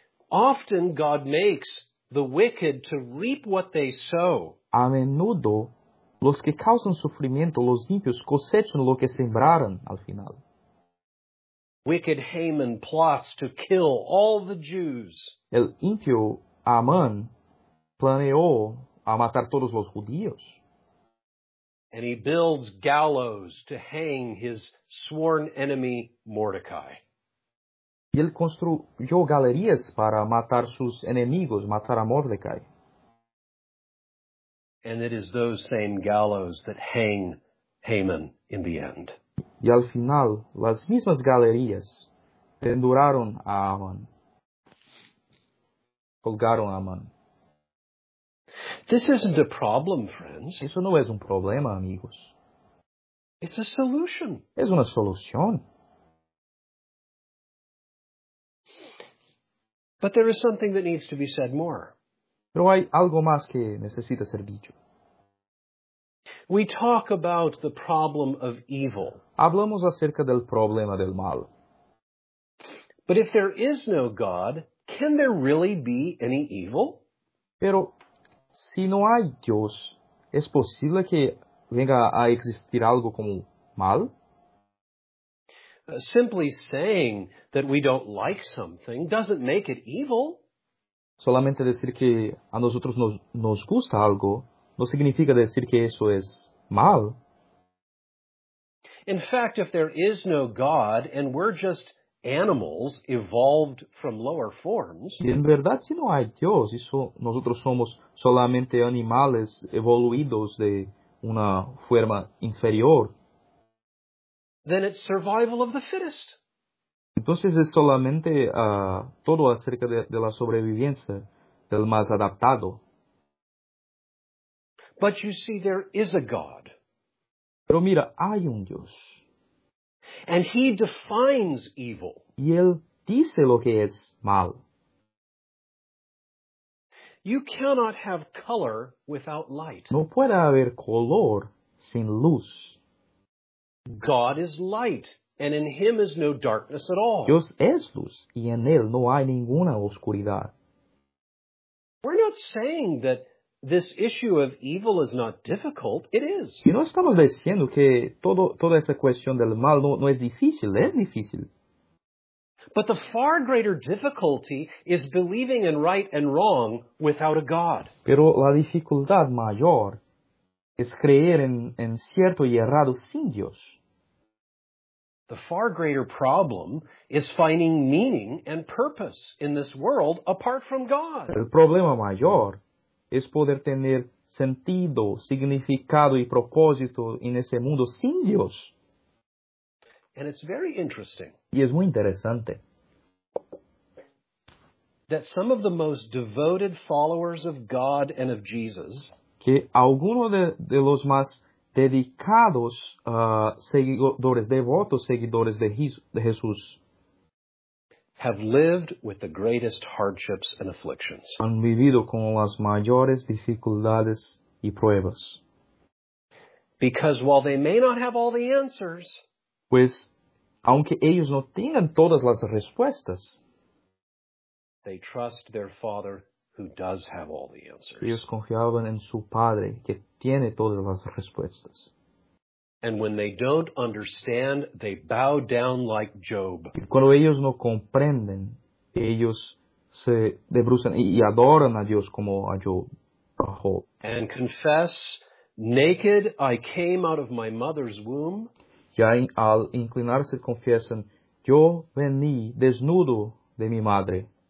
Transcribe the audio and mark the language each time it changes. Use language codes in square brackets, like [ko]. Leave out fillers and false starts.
[en] Often God makes the wicked to reap what they sow. [es] A menudo, los que causan sufrimiento, los impios, cosechan lo que sembraron al final. [en] Wicked Haman plots to kill all the Jews. [es] El impío Amán planeó a matar todos los judíos. [en] And he builds gallows to hang his sworn enemy Mordecai. [es] Y él construyó galerías para matar sus enemigos, matar a Mordecai. [en] And it is those same gallows that hang Haman in the end. [es] Y al final, las mismas galerías penduraron a Amán. Colgaron a Amán. [en] This isn't a problem, friends. [es] Eso no es un problema, amigos. [en] It's a solution. [es] Es una solución. [en] But there is something that needs to be said more. [es] Pero hay algo más que necesita ser dicho. [en] We talk about the problem of evil. [es] Hablamos acerca del problema del mal. [en] But if there is no God, can there really be any evil? [es] Pero si no hay Dios, ¿es posible que venga a existir algo como mal? [en] Simply saying that we don't like something doesn't make it evil. [es] Solamente decir que a nosotros nos gusta algo no significa decir que eso es mal. [en] In fact, if there is no God and we're just animals evolved from lower forms. [es] Y en verdad, si no hay Dios, nosotros somos solamente animales evoluidos de una forma inferior. [en] Then it's survival of the fittest. [es] Entonces es solamente todo acerca de la sobrevivencia del más adaptado. [en] But you see, there is a God. [es] Pero mira, hay un Dios. [en] And he defines evil. [es] Y él dice lo que es mal. [en] You cannot have color without light. [es] No puede haber color sin luz. [en] God is light, and in him is no darkness at all. [es] Dios es luz, y en él no hay ninguna oscuridad. [en] We're not saying that this issue of evil is not difficult. It is. [es] Y no estamos diciendo que toda esa cuestión del mal no es difícil. Es difícil. [en] But the far greater difficulty is believing in right and wrong without a God. [es] Pero la dificultad mayor es creer en cierto y errado sin Dios. [en] The far greater problem is finding meaning and purpose in this world apart from God. [es] El problema mayor es poder tener sentido, significado y propósito en ese mundo sin Dios. [en] And it's very interesting. [es] Y es muy interesante. [en] That some of the most devoted followers of God and of Jesus, [es] que algunos de los más dedicados seguidores, devotos seguidores de Jesús, [en] have lived with the greatest hardships and afflictions. [es] Han vivido con las mayores dificultades y pruebas. [en] Because while they may not have all the answers, [es] pues aunque ellos no tengan todas las respuestas, [en] they trust their father who does have all the answers. [es] Ellos confiaban en su padre que tiene todas las respuestas. [en] And when they don't understand, they bow down like Job. [es] Y cuando ellos no comprenden, ellos se debrucen y adoran a Dios como a Job. [en] And confess, naked I came out of my mother's womb. [es] Ya al inclinarse confiesan, yo vení desnudo de mi madre.